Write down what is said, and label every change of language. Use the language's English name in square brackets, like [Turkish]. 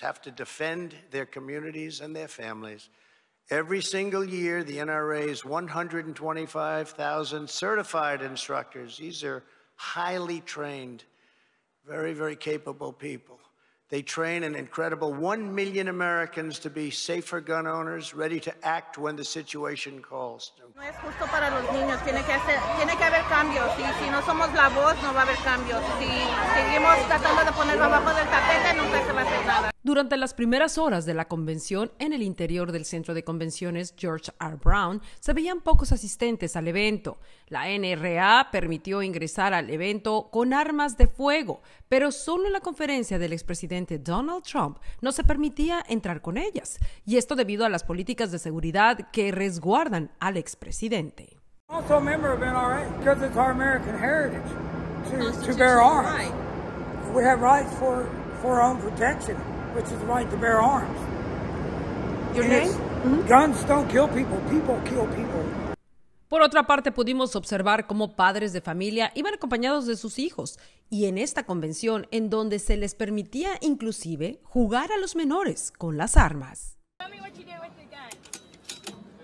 [English] Have to defend their communities and their families. Every single year, the NRA's 125,000 certified instructors, these are highly trained, very, very capable people. They train an incredible 1 million Americans to be safer gun owners, ready to act when the situation calls. [Spanish] No es justo para los niños, tiene que haber cambios. Y si no somos la voz, no va a haber cambios. Si seguimos tratando de ponerlo abajo del tapete, nunca se va a hacer nada. Durante las primeras horas de la convención, en el interior del centro de convenciones George R. Brown, se veían pocos asistentes al evento. La NRA permitió ingresar al evento con armas de fuego, pero solo en la conferencia del expresidente Donald Trump no se permitía entrar con ellas. Y esto debido a las políticas de seguridad que resguardan al expresidente. [English] Also a member of NRA, because it's our American heritage to bear arms. Right. We have rights for our own protection, which is the right to bear arms. Your name? Mm-hmm. Guns don't kill people, people kill people. [Spanish] Por otra parte, pudimos observar cómo padres de familia iban acompañados de sus hijos. Y en esta convención, en donde se les permitía inclusive jugar a los menores con las armas. [English] Tell me what you do with the gun.